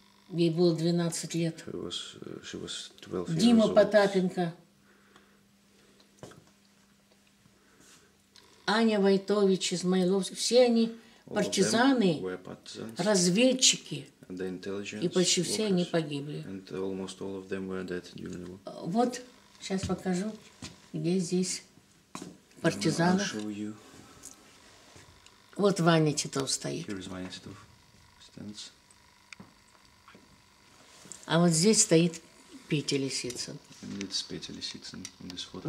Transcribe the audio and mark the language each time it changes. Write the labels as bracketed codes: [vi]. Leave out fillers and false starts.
[ru] Ей было 12 лет. [en] She was 12 [ru] Дима [en] years old. [ru] Потапенко. Аня Войтович из Майловска. Все они партизаны, разведчики. И почти все они погибли. [en] And almost all of them were dead during the war. [ru] Вот, сейчас покажу, где здесь партизаны. [en] I'll show you. [ru] Вот Ваня Титов стоит. [en] Here is Ваня Титов. Stands. [ru] А вот здесь стоит Петя Лисицын. [en] And it's Петя Лисицын on this photo.